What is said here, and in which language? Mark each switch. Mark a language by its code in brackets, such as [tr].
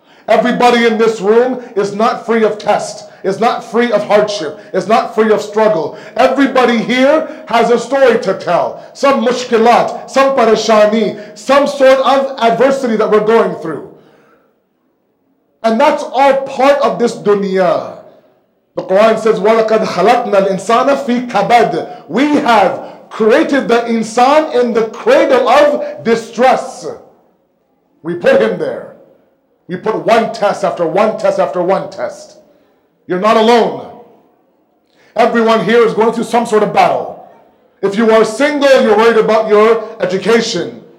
[en] Everybody in this room is not free of test, is not free of hardship, is not free of struggle. Everybody here has a story to tell. Some mushkilat, some parashani, some sort of adversity that we're going through. And that's all part of this dunya. The Quran says, [ar] وَلَقَدْ خَلَقْنَا الْإِنسَانَ فِي كَبَدٍ. [en] We have created the insan in the cradle of distress. We put him there. We put one test after one test after one test. You're not alone. Everyone here is going through some sort of battle. If you are single, you're worried about your education.